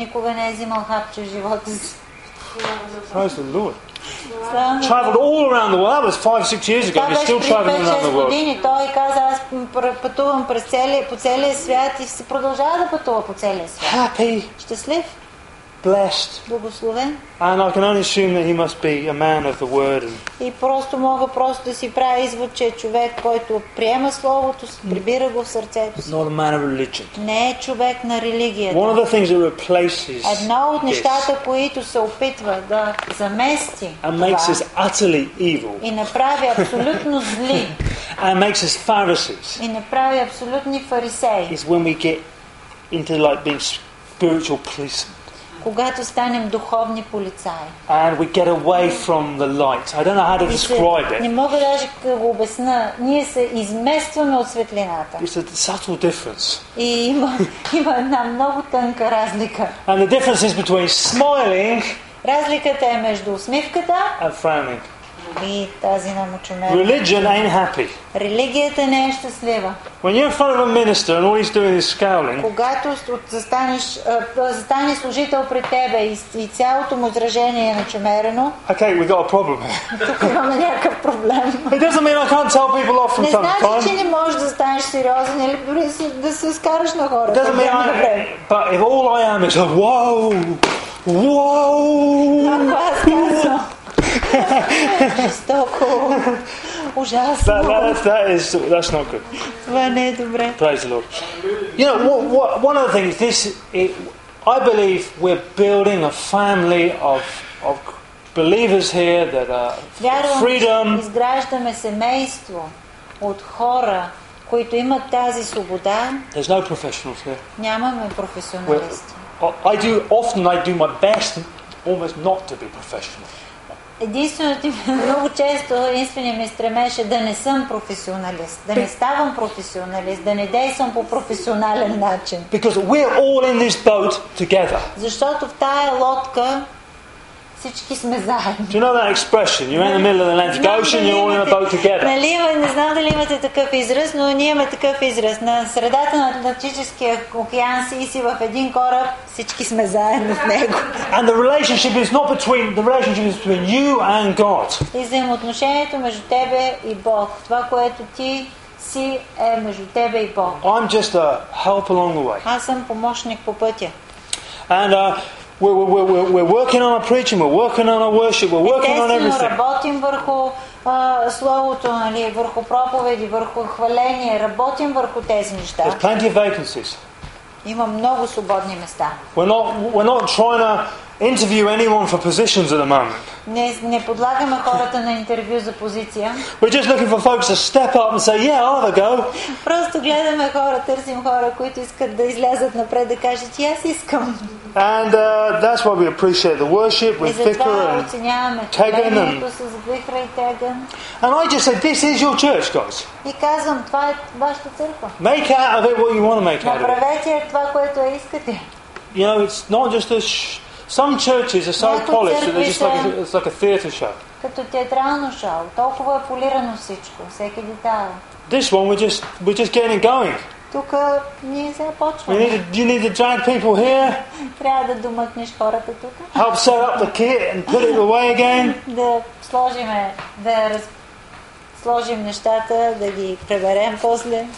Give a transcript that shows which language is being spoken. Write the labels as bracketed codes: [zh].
[bg] Каза, никога не е взимал хапче в живота си. [en] Praise the Lord. Traveled all around the world. That was 5-6 years ago. He's still traveling around the world. [bg] Той каза, аз пътувам по целия свят и се продължава да пътува по целия свят. [en] Happy. [bg] Щастлив. [en] Blessed. [bg] Благословен. [en] And I can only assume that he must be a man of the word. [bg] И просто мога просто да си правя извод, че е човек, който приема словото, прибира го в сърцето си. [en] Not a man of religion. [bg] Не е човек на религията. [en] One of the things that replaces. [bg] Една от нещата, които се опитва да замести. [en] And makes us utterly evil. [bg] И направи абсолютно зли. [en] And makes us Pharisees. [bg] И направи абсолютни фарисеи. [en] Is when we get into like being spiritual police. [bg] Когато станем духовни полицаи. [en] And we get away from the light. I don't know how to describe it. [bg] Не мога даже да го обясня. Ние се изместваме от светлината. [en] It's a subtle difference. [bg] И има една много тънка разлика. [en] And the difference is between smiling. [bg] Разликата е между усмивката. [en] And frowning. [bg] И тази намочумена. [en] Religion ain't happy. [bg] Религията не е щастлива. [en] When you're in front of a minister and all he's doing is scowling. [bg] Когато застане служител пред тебе и цялото му изражение е начумерено. [en] Okay, we got a problem. [bg] Имаме някакъв проблем. [en] It doesn't mean I can't tell people off from time to time. [bg] Не значи, че не можеш да станеш сериозен или да се скараш на хората. [en] It doesn't mean I. But if all I am is like, whoa, whoa. [bg] Жестоко. Ужасно. [en] That's not good. [bg] Това не е добре. [en] Praise the Lord. You know, one of the things, I believe we're building a family of believers here that are freedom. [bg] Изграждаме семейство от хора, които имат тази свобода. [en] There's no professionals here. [bg] Нямаме професионалисти. [en] I do my best almost not to be professional. [bg] Единствено ми стремеше да не съм професионалист, да не ставам професионалист, да не действам по професионален начин. [en] Because we're all in this boat together. [bg] Защото в тая лодка всички сме заедно. [en] Do you know that expression? You're in the middle of the Atlantic Ocean, you're all in a boat together. [bg] Нали, не знам дали имате такъв израз, но ние имаме такъв израз. На средата на Атлантическия океан си в един кораб, всички сме заедно в него. [en] And the relationship is between you and God. [bg] И взаимоотношението между тебе и Бог. Това, което ти си, е между тебе и Бог. [en] I'm just a help along the way. [bg] Аз съм помощник по пътя. [en] And We're working on our preaching, we're working on our worship, we're working on everything. [bg] Естествено, работим върху словото, нали, върху проповеди, върху хваление, работим върху тези неща. [en] There's plenty of vacancies. [bg] Има много свободни места. [en] We're not trying to interview anyone for positions at the moment. [bg] Не подлагаме хората на интервю за позиция. [en] We're just looking for folks to step up and say, yeah, I'll have a go. [bg] Просто гледаме хора, търсим хора, които искат да излязат напред да кажат, и аз искам. [en] And that's why we appreciate the worship with Thicker and Tegan. And I just said, this is your church, guys. [bg] И казвам, това е вашата църква. [en] Make out of it what you want to make out of it. [bg] Това, което искате. [en] You know, it's not just a some churches are so polished that they're just like it's like a theater show. [bg] Като театрално шоу, толкова е полирано всичко, всеки детайл. [en] This one we're just getting going. [bg] Тук ние се започваме. [en] You need to drag people here. [bg] Трябва да домъкнеш хората тук. [en] Help set up the kit and put it away again. [bg] Да сложиме, да сложим нещата, да ги преберем после.